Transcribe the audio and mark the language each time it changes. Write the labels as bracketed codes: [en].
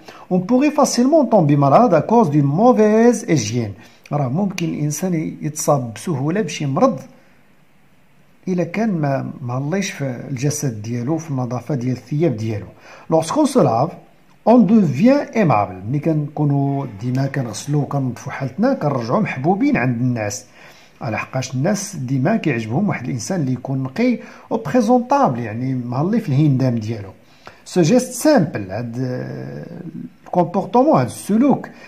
[fr] On pourrait facilement tomber malade à cause d'une mauvaise hygiène. [ar] Alors, ممكن الإنسان يتصاب بسهولة بشي مرض إلا كان ما مهلاش في الجسد ديالو في النظافة ديال الثياب ديالو. [fr] Lorsqu'on se lave, on devient aimable. [ar] ملي كنكونو ديما كنغسلو وكننظفو حالتنا كنرجعو محبوبين عند الناس. لحقاش الناس ديما كيعجبهم واحد الانسان اللي يكون نقي و بريزونطابل يعني مهلي في الهندام ديالو. سو جيست سامبل هاد الكومبورتمون هاد السلوك